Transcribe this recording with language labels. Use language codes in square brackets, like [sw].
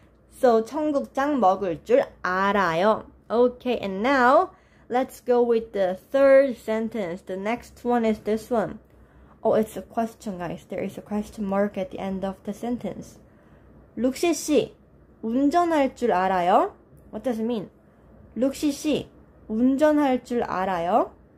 [ko] So, 청국장 먹을 줄 알아요. [en] Okay, and now, let's go with the third sentence. The next one is this one. Oh, it's a question, guys. There is a question mark at the end of the sentence. [ko] 룩시 씨, 운전할 줄 알아요? [en] What does it mean? [ko] 룩시 씨, 운전할 줄 알아요?